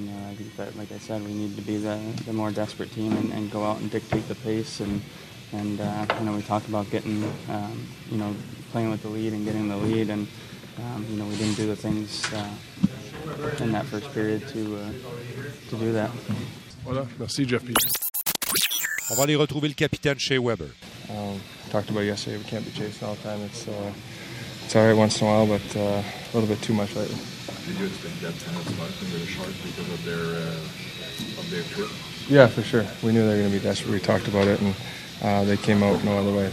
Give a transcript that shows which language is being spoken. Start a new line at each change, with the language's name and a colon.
English: I think that, like I said, we need to be the more desperate team and go out and dictate the pace. And you know, we talked about getting, you know, playing with the lead and getting the lead. And, you know, we didn't do the things in that first period to do that.
French: Voilà. Merci, Jeff Peters. On va aller retrouver le capitaine Shea Weber.
English: Talked about yesterday, we can't be chasing all the time. It's all right once in a while, but a little bit too much lately. Did you expect that tonight because of their trip? Yeah, for sure. We knew they were going to be desperate. We talked about it, and they came out no other way.